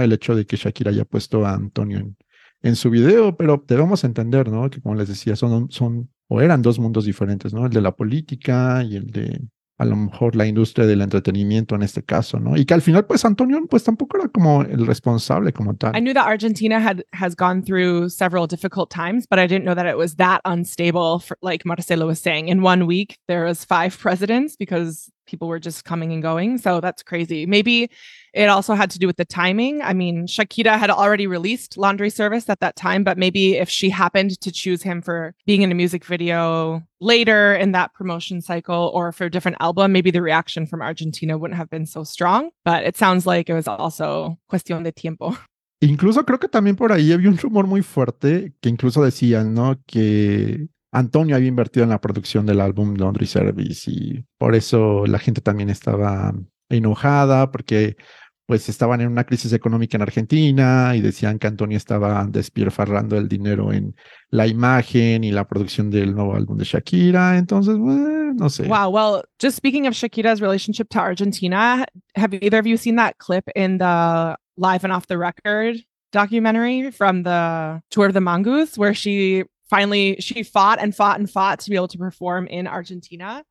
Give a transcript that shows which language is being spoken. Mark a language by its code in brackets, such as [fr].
[es] El hecho de que Shakira haya puesto a Antonio en su video, pero debemos entender, ¿no? Que como les decía, son o eran dos mundos diferentes, ¿no? El de la política y el de, a lo mejor, la industria del entretenimiento en este caso, ¿no? Y que al final, pues, Antonio, pues, tampoco era como el responsable como tal. [en] I knew that Argentina has gone through several difficult times, but I didn't know that it was that unstable, like Marcelo was saying. In one week, there was five presidents because people were just coming and going. So that's crazy. Maybe it also had to do with the timing. I mean, Shakira had already released Laundry Service at that time, but maybe if she happened to choose him for being in a music video later in that promotion cycle or for a different album, maybe the reaction from Argentina wouldn't have been so strong. But it sounds like it was also [es] cuestión de tiempo. Incluso creo que también por ahí había un rumor muy fuerte que incluso decían, ¿no?, que Antonio había invertido en la producción del álbum Laundry Service, y por eso la gente también estaba enojada, porque pues estaban en una crisis económica en Argentina y decían que Antonio estaba despilfarrando el dinero en la imagen y la producción del nuevo álbum de Shakira. Entonces, no sé. [en] Wow, well, just speaking of Shakira's relationship to Argentina, have either of you seen that clip in the Live and Off the Record documentary from the Tour of the Mongoose, where she fought and fought and fought to be able to perform in Argentina?